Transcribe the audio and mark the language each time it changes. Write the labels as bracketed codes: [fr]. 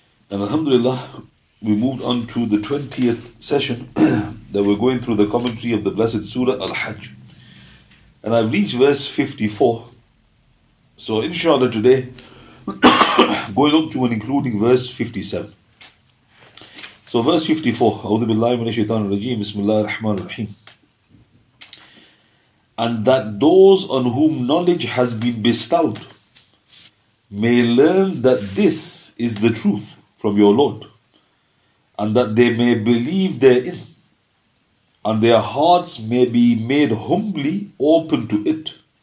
[en] And alhamdulillah, we moved on to the 20th session that we're going through the commentary of the blessed Surah Al-Hajj. And I've reached verse 54. So inshallah today, going up to and including verse 57. So verse 54, [ar] أعوذ بالله من الشيطان الرجيم بسم الله الرحمن الرحيم. [en] And that those on whom knowledge has been bestowed may learn that this is the truth from your Lord, and that they may believe therein, and their hearts may be made humbly open to it.